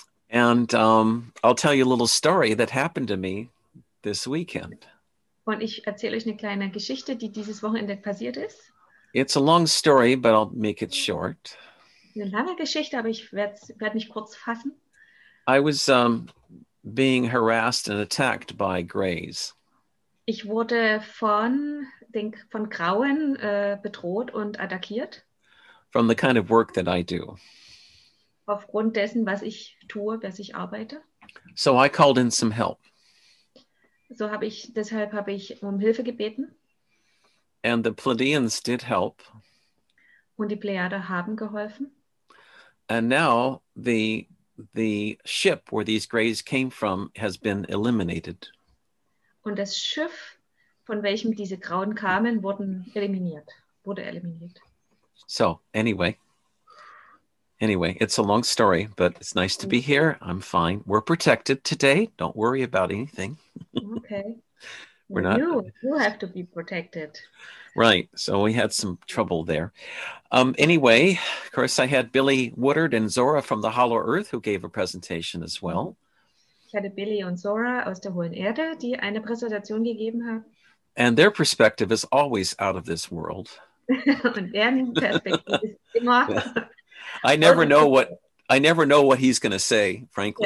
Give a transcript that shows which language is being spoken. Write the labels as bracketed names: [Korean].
[English] And I'll tell you a little story that happened to me this weekend. [German] Und ich erzähle euch eine kleine Geschichte, die dieses Wochenende passiert ist. [English] It's a long story, but I'll make it short. [German] Eine lange Geschichte, aber ich werde mich kurz fassen. [English] I was being harassed and attacked by greys. [German] Ich wurde von Grauen bedroht und attackiert. [English] From the kind of work that I do. [German] Aufgrund dessen, was ich tue, was ich arbeite. [English] So I called in some help. [German] So habe ich um Hilfe gebeten. [English] And the Pleiadians did help. [German] Und die Plejaden haben geholfen. [English] And now the ship where these greys came from has been eliminated. [German] Und das Schiff, von welchem diese Grauen kamen, wurde eliminiert. [English] So, anyway, it's a long story, but it's nice to be here. I'm fine. We're protected today. Don't worry about anything. Okay. We're not. You have to be protected. Right. So we had some trouble there. Anyway, of course, I had Billy Woodard and Zora from the Hollow Earth who gave a presentation as well. [German] Ich hatte Billy und Zora aus der Hohen Erde, die eine Präsentation gegeben haben. [English] And their perspective is always out of this world. [German] Und deren Perspektive ist immer. Yeah. [English] I never know what he's going to say, frankly.